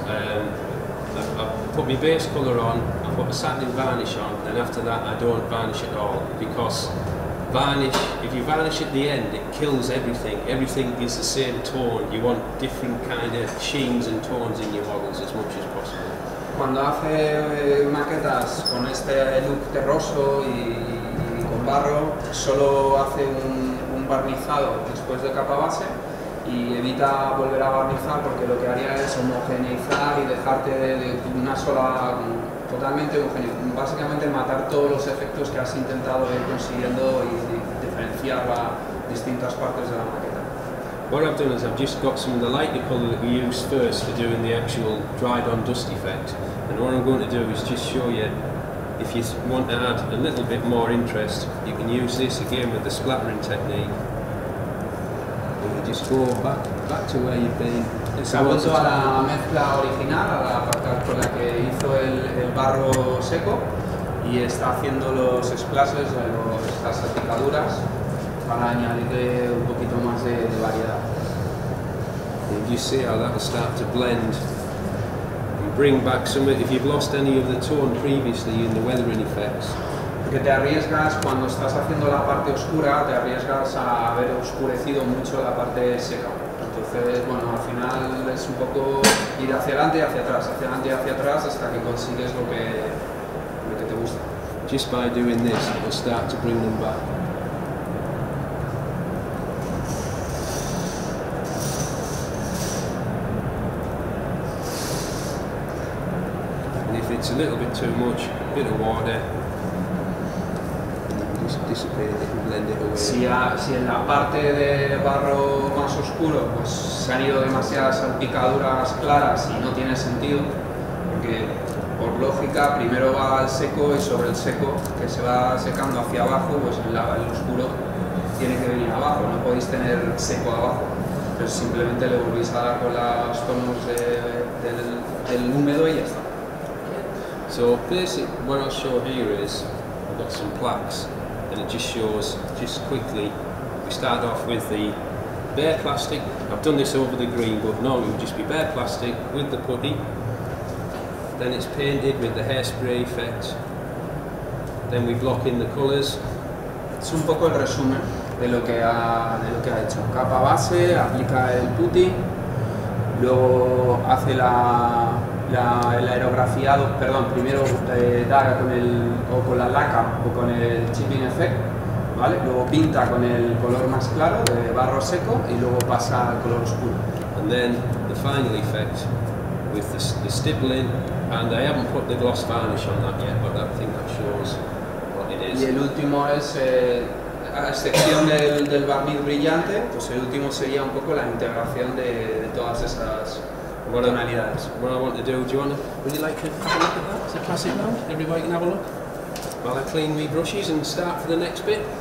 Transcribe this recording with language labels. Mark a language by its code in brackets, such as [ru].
[en] I put my base colour on, I put a satin varnish on, and after that I don't varnish at all, because varnish, if you varnish at the end, it kills everything. Everything is the same tone. You want different kind of sheens and tones in your models as much as possible. [es] Cuando hace maquetas con este look terroso y barro, solo hace un barnizado después de capa base y evita volver a barnizar, porque lo que haría es homogeneizar y dejarte de una sola, totalmente homogeneizar, básicamente matar todos los efectos que has intentado ir consiguiendo y diferenciar las distintas partes de la maqueta. [en] What I've done is I've just got some of the lighter color that we used first for doing the actual dried on dust effect, and what I'm going to do is just show you. If you want to add a little bit more interest, you can use this again with the splattering technique. And you just go back to where you've been. [es] Se ha vuelto a la mezcla original, a la parte con la que hizo el barro seco, y está haciendo los splashes, las salpicaduras, para añadirle un poquito más de variedad. [en] And you see how that will start to blend. Bring back some. If you've lost any of the tone previously in the weathering effects, [es] porque te arriesgas cuando estás haciendo la parte oscura, te arriesgas a haber oscurecido mucho la parte seca. Entonces, bueno, al final es un poco ir hacia adelante y hacia atrás, hacia adelante y hacia atrás, hasta que consigues lo que te gusta. [en] Just by doing this, it will start to bring them back. It's a little bit too much, a bit of water, and just dissipate it and blend it away. [es] Si en la parte de barro más oscuro pues se han ido demasiadas salpicaduras claras y no tiene sentido, porque por lógica primero va al seco, y sobre el seco que se va secando hacia abajo, pues el oscuro tiene que venir abajo, no podéis tener seco abajo. Pero simplemente le volvéis a dar con los tonos del húmedo y ya está. [en] So basically what I'll show here is I've got some plaques, and it just shows just quickly start off with the bare plastic. I've done this over the green, but normally it would just be bare plastic with the putty. Then it's painted with the hairspray effect. Then we block in the colours. [es] Es un poco el resumen de lo que ha hecho. Capa base, aplica el putty, luego hace el aerografiado. Perdón, primero da con el o con la laca o con el chipping effect, ¿vale? Luego pinta con el color más claro de barro seco y luego pasa al color oscuro. [en] And then the final effect with the stippling. And I haven't put the gloss varnish on that yet, but I think that shows what it is. [es] Y el último es, a excepción del barniz brillante, pues el último sería un poco la integración de todas esas tonalidades. [en] What I want to do, would you like to have a look at that? It's a classic round. Everybody can have a look. While I clean my brushes and start for the next bit.